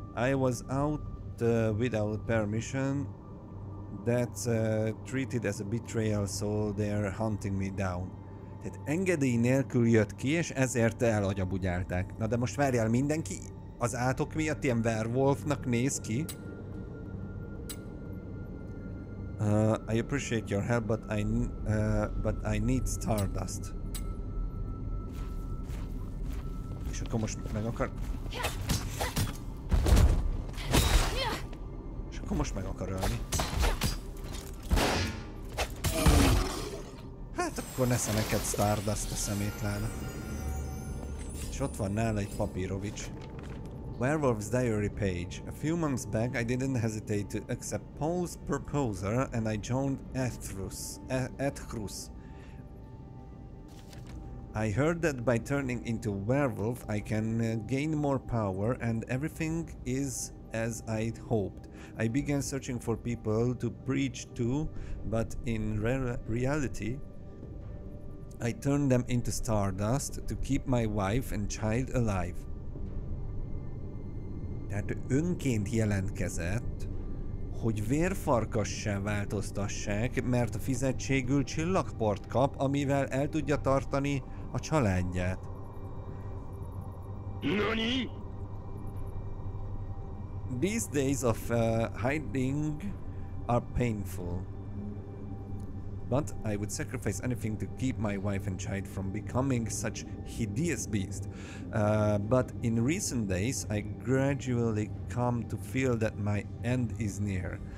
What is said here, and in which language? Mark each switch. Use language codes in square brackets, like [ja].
[en] I was out without permission. That's treated as a betrayal, so they're hunting me down. [hu] Tehát engedély nélkül jött ki, és ezért elagyabugyálták. Na de most várjál, mindenki az átok miatt ilyen werewolfnak néz ki. [en] I appreciate your help, but I need stardust. [hu] És akkor most meg akar... És akkor most meg akar ölni. Hát akkor nesze neked Stardust a szemétlának. És ott van nála egy papírovics. [en] Werewolf's diary page. A few months back I didn't hesitate to accept Paul's proposal and I joined Ethrus. I heard that by turning into werewolf I can gain more power and everything is as I'd hoped. I began searching for people to preach to, but in reality I turned them into stardust to keep my wife and child alive. [hu] Tehát önként jelentkezett, hogy vérfarkassá változtassák, mert a fizetségül csillagport kap, amivel el tudja tartani a családját. [ja] Nani? [en] These days of hiding are painful. But I would sacrifice anything to keep my wife and child from becoming such hideous beast. But in recent days, I gradually come to feel that my end is near.